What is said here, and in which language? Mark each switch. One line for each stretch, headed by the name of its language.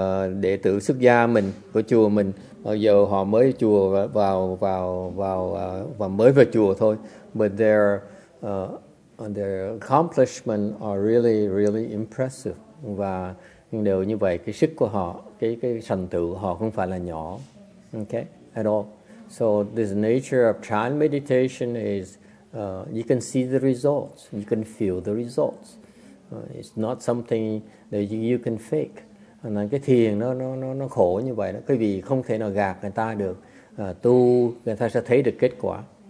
Vietnamese: đệ tử xuất gia mình của chùa mình, bây giờ họ mới chùa vào chùa thôi,
English: but their accomplishment are really really impressive,
Vietnamese: và nhưng đều như vậy, cái sức của họ, cái thành tựu của họ không phải là nhỏ, okay,
English: at all. So this nature of chan meditation is you can see the results, you can feel the results. It's not something that you can fake. And then
Vietnamese: cái thiền nó khổ như vậy đó, cái vì không thể nào gạt người ta được. Tu người ta sẽ thấy được kết quả.